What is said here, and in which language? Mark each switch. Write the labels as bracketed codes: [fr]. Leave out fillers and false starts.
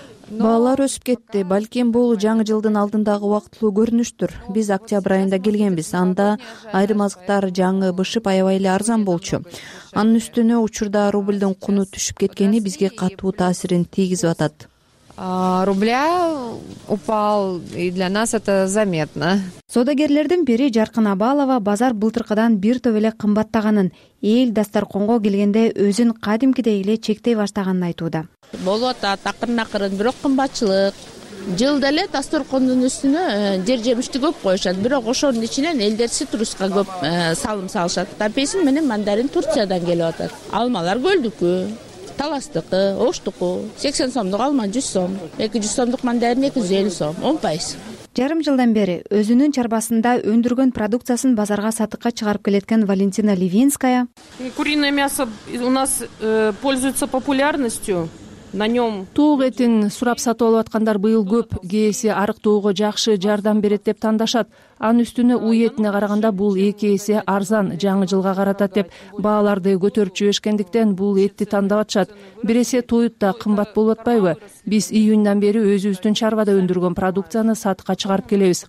[ky] Баалар өсүп кетти. Балким бул жаңы жылдын алдындагы убактылуу көрүнүштүр. Биз октябрь айында келгенбиз. Анда айрым азыктар жаңы бышып аябай эле арзан болчу. Анын үстүнө учурда рубльдун куну түшүп кеткени бизге катуу таасирин тийгизип атат. [ru] Рубля упал, и для нас это заметно. [ky] Соодагерлердин бири Жаркын Абалова базар былтыркыдан бир топ эле кымбаттаганын, эл дасторконго келгенде өзүн кадимкидей эле чектей баштаганын айтууда. Болуп атат акырын-акырын, бирок кымбатчылык. Жылда эле дасторкондун үстүнө жер жемишти көп коюшат, бирок ошонун ичинен элдер ситруска көп салым салышат. Апельсин менен мандарин Турциядан келип атат. Алмалар көлдүкү. Таластыкы, Оштуку, 80 сомдук алма 100 сом, 200 сомдук мандарин 250 сом, 10%. Жарым жылдан бери өзүнүн чарбасында өндүргөн продукциясын базарга сатыкка чыгарып келеткен Валентина Левинская. [ru] Куриное мясо у нас пользуется популярностью. [ky] Туук этин сурап сатып алып аткандар быйыл көп, кээси арык тууго жакшы жардам берет деп тандашат. Анын үстүнө уй этине караганда бул эки эсе арзан, жаңы жылга каратат деп бааларды көтөрүп жиберишкендиктен бул этти тандап атышат. Биресе туйут да кымбат болуп атпайбы? Биз июндан бери өзүбүздүн чарбада өндүргөн продукцияны сатыкка чыгарып келебиз.